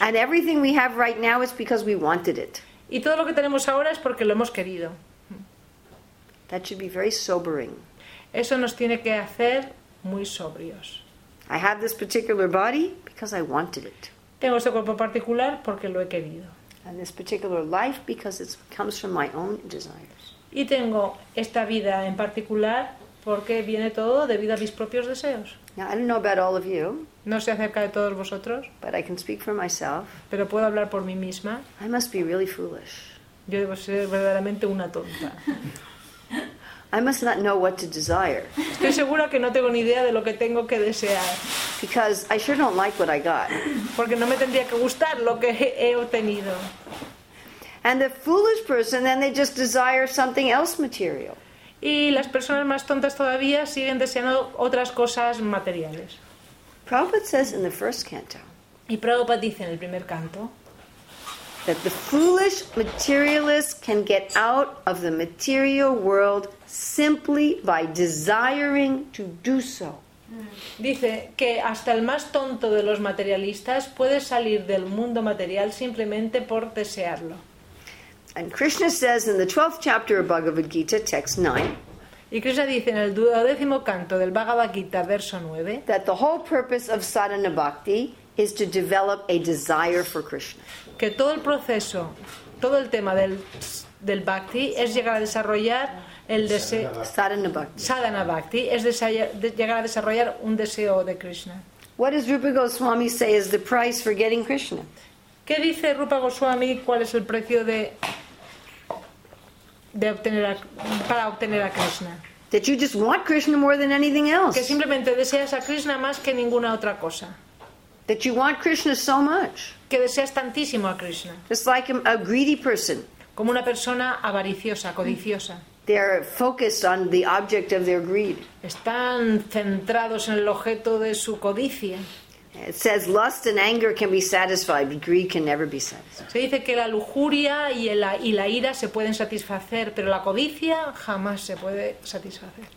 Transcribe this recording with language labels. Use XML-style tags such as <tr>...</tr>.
<en>And everything we have right now is because we wanted it.</en> <es>Y todo lo que tenemos ahora es porque lo hemos querido.</es> <en>That should be very sobering.</en> <es>Eso nos tiene que hacer muy sobrios.</es> <en>I have this particular body because I wanted it.</en> <es>Tengo este cuerpo particular porque lo he querido.</es> <en>And this particular life because it comes from my own desires.</en> <es>Y tengo esta vida en particular porque viene todo debido a mis propios deseos.</es> <en>Now, I don't know about all of you,</en> <es>no sé acerca de todos vosotros,</es> <en>but I can speak for myself.</en> <es>Pero puedo hablar por mí misma.</es> <en>I must be really foolish.</en> <es>Yo debo ser verdaderamente una tonta.</es> <en>I must not know what to desire.</en> <es>Estoy segura que no tengo ni idea de lo que tengo que desear.</es> <en>Because I sure don't like what I got.</en> <es>Porque no me tendría que gustar lo que he obtenido.</es> <en>And the foolish person, then they just desire something else material.</en> <es>Y las personas más tontas todavía siguen deseando otras cosas materiales.</es> <en>Prabhupada says in the first canto.</en> <es>Y Prabhupada dice en el primer canto.</es> <en>That the foolish materialist can get out of the material world simply by desiring to do so.</en> <es>Dice que hasta el más tonto de los materialistas puede salir del mundo material simplemente por desearlo.</es> <en>And Krishna says in the 12th chapter of Bhagavad Gita, text 9.</en> <es>Y Krishna dice en el duodécimo canto del Bhagavad Gita, verso 9.</es> <en>That the whole purpose of sadhana bhakti is to develop a desire for Krishna.</en> <es>Que todo el proceso, todo el tema del bhakti es llegar a desarrollar el deseo.</es> <sa>Sadhana bhakti.</sa> <es>Sadhana bhakti es llegar a desarrollar un deseo de Krishna.</es> <en>What does Rupa Goswami say is the price for getting Krishna?</en> <es>¿Qué dice Rupa Goswami cuál es el precio de obtener para obtener a Krishna?</es> <en>That you just want Krishna more than anything else.</en> <es>Que simplemente deseas a Krishna más que ninguna otra cosa.</es> <en>That you want Krishna so much.</en> <es>Que deseas tantísimo a Krishna.</es> <en>Just like a greedy person.</en> <es>Como una persona avariciosa, codiciosa.</es> <en>They are focused on the object of their greed.</en> <es>Están centrados en el objeto de su codicia.</es> <en>It says lust and anger can be satisfied, but greed can never be satisfied.</en> <es>Se dice que la lujuria y la ira se pueden satisfacer, pero la codicia jamás se puede satisfacer.</es>